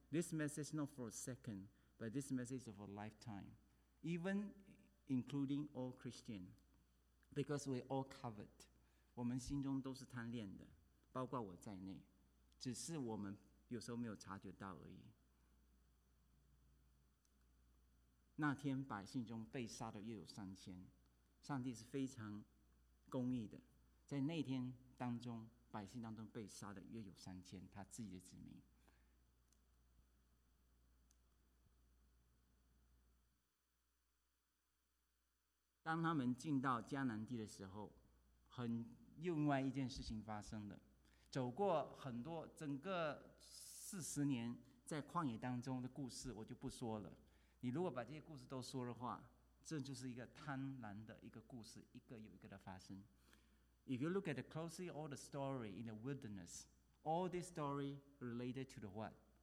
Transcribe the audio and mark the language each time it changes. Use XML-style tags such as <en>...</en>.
<en>This message is not for a second, but this message is for a lifetime, even including all Christian, because we all covered.</en> <zh>我们心中都是贪恋的，包括我在内，只是我们有时候没有察觉到而已。那天百姓中被杀的又有3000，上帝是非常公义的，在那天当中，百姓当中被杀的又有3000，他自己的子民。当他们进到迦南地的时候，很。另外一件事情发生了，走过很多整个40年在旷野当中的故事我就不说了，你如果把这些故事都说的话，这就是一个贪婪的一个故事，一个又一个的发生。</zh> <en>If you look at closely all the story in the wilderness, all this story related to the what?</en>